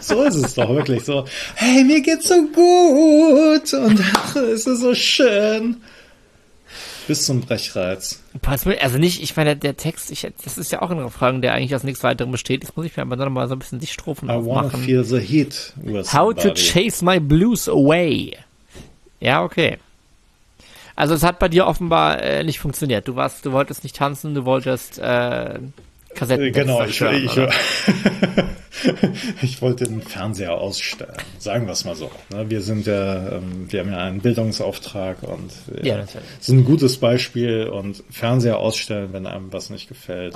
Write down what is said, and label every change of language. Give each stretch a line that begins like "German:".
German: So ist es doch, wirklich so. Hey, mir geht's so gut und ach, es ist so schön. Bis zum Brechreiz. Also nicht, ich meine, der Text, das ist ja auch eine Frage, der eigentlich aus nichts weiterem besteht. Jetzt muss ich mir aber nochmal so ein bisschen die Strophen aufmachen.
English: I wanna feel the heat with somebody. How to chase my blues away.
German: Ja, okay. Also es hat bei dir offenbar nicht funktioniert. Du wolltest nicht tanzen, du wolltest Kassetten. Genau, ich Ich wollte den Fernseher ausstellen, sagen wir es mal so. Wir sind ja, wir haben ja einen Bildungsauftrag und ja, sind ein gutes Beispiel und Fernseher ausstellen, wenn einem was nicht gefällt.